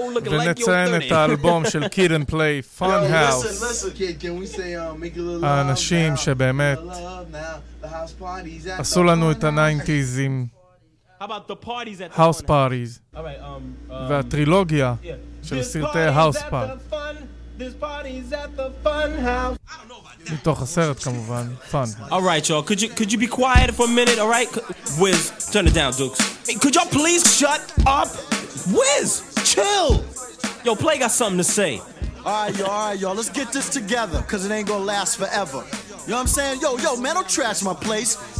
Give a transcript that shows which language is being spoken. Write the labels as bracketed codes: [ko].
[he] ונציין את האלבום של Kid and Play, Fun House. האנשים שבאמת עשו לנו את ה-90s'ים. House Parties. והטרילוגיה של סרטי House Parties. מתוך הסרט כמובן, Fun. [en] All right, y'all, could you be quiet for a minute, all right? Wiz, turn it down, Dukes. Could y'all please shut up? Wiz, chill! Yo, Play got something to say. All right, y'all, let's get this together, because it ain't gonna last forever. You know what I'm saying? Yo, man, don't trash my place.